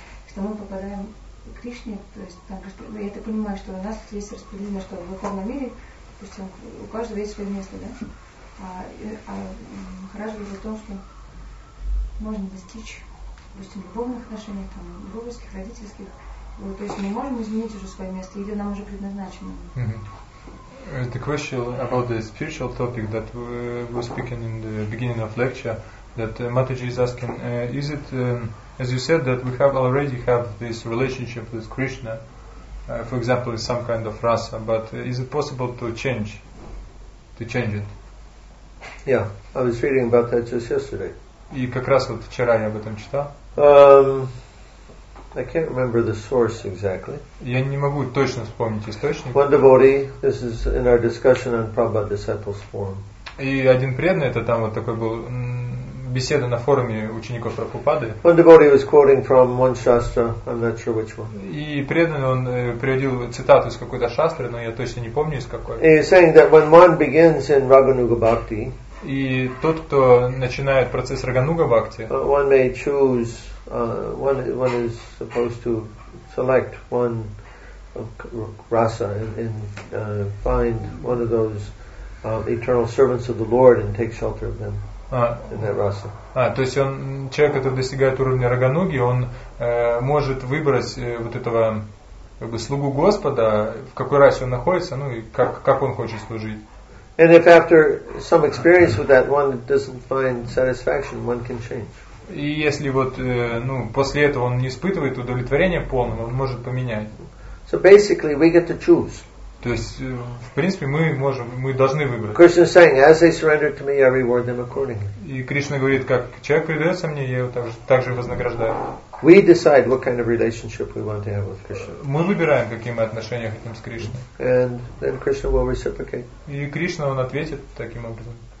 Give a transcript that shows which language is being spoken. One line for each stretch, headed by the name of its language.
Russian: Что мы попадаем к Кришне, то есть там, я так понимаю, что у нас есть распределение, что в духовном мире, допустим, у каждого есть свое место, да? А Махарадж говорит о том, что можно достичь, допустим, любовных отношений, там, любовских, родительских. Вот, то есть мы можем изменить уже свое место, или нам уже предназначено.
English: The question about the spiritual topic that we were speaking in the beginning of lecture, that Mataji is asking, is it as you said, that we have already have this relationship with Krishna, for example, with some kind of rasa, but is it possible to change it? Yeah, I was reading about that just yesterday.
Russian: И как раз вот вчера я об этом читал.
English: I can't remember the source exactly.
Russian: Я не могу точно вспомнить источник.
English: One devotee, this is in our discussion on Prabhupada Disciples Forum.
Russian: И один преданный, это там вот такой был... беседа на форуме учеников Прабхупады.
English: One devotee was quoting from one shastra, I'm not sure which one.
Russian: И преданный он приводил цитату из какой-то шастры, но я точно не помню из какой.
English: He's saying that when one begins in Рагануга Бхакти,
Russian: и тот, кто начинает процесс Рагануга Бхакти,
English: one may choose, one is supposed to select one rasa and find one of those eternal servants of the Lord and take shelter of them.
Russian: То есть он человек, который достигает уровня Рагануги, он может выбрать вот этого как бы слугу Господа, в какой расе он находится, ну и как он хочет служить.
English: And if after some experience with that one doesn't find satisfaction, one can change.
Russian: И если вот после этого он не испытывает удовлетворения полного, он может поменять.
English: So basically we get to choose.
Russian: То есть, в принципе, мы должны выбрать.
English: Krishna is saying, as they surrender to me, I reward them accordingly.
Russian: И Кришна говорит, как человек предается мне, я его также вознаграждаю.
English: We decide what kind of relationship we want to have with Krishna.
Russian: Мы выбираем, какие мы отношения хотим с Кришной.
English: And then Krishna will reciprocate.
Russian: И Кришна он ответит таким образом.